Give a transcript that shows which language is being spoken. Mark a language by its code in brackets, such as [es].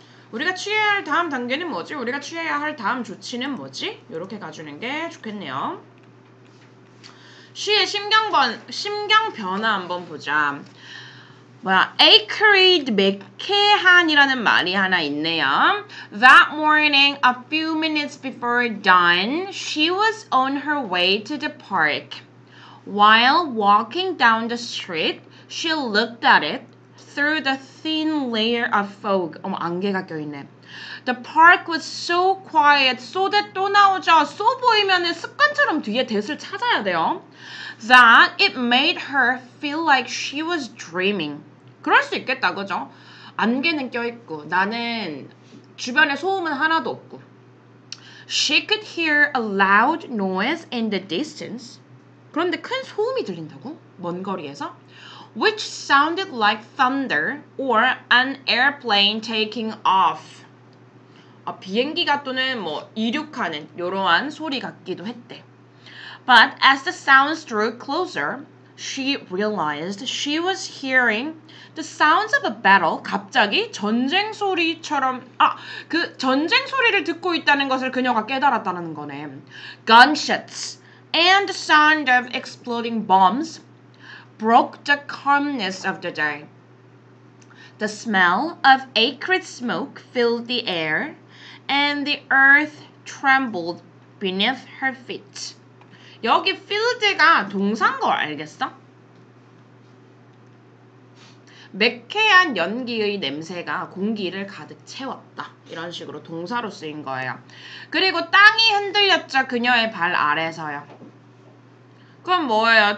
[ko] 우리가 취해야 할 다음 단계는 뭐지? 우리가 취해야 할 다음 조치는 뭐지? 이렇게 가주는 게 좋겠네요. 시의 심경 변화 한번 보자. 뭐야? Acrid 매캐한이라는 말이 하나 있네요. [en] That morning, a few minutes before dawn, she was on her way to the park. While walking down the street, she looked at it through the thin layer of fog. [ko] 어머, 안개가 껴있네. [en] The park was so quiet. [ko] 쏘댓 또 나오죠. 쏘 보이면은 습관처럼 뒤에 댓을 찾아야 돼요. [en] That it made her feel like she was dreaming. [ko] 그럴 수 있겠다, 그죠? 안개는 껴있고 나는 주변에 소음은 하나도 없고. [en] She could hear a loud noise in the distance. [ko] 그런데 큰 소음이 들린다고? 먼 거리에서? [en] Which sounded like thunder or an airplane taking off. [ko] 아, 비행기가 또는 뭐 이륙하는 이러한 소리 같기도 했대. [en] But as the sounds drew closer, she realized she was hearing the sounds of a battle. [ko] 갑자기 전쟁 소리처럼 아, 그 전쟁 소리를 듣고 있다는 것을 그녀가 깨달았다는 거네. [en] Gunshots and the sound of exploding bombs broke the calmness of the day. The smell of acrid smoke filled the air and the earth trembled beneath her feet. [ko] 여기 필드가 동사인 거 알겠어? 매캐한 연기의 냄새가 공기를 가득 채웠다. 이런 식으로 동사로 쓰인 거예요. 그리고 땅이 흔들렸죠. 그녀의 발 아래서요. 그건 뭐예요?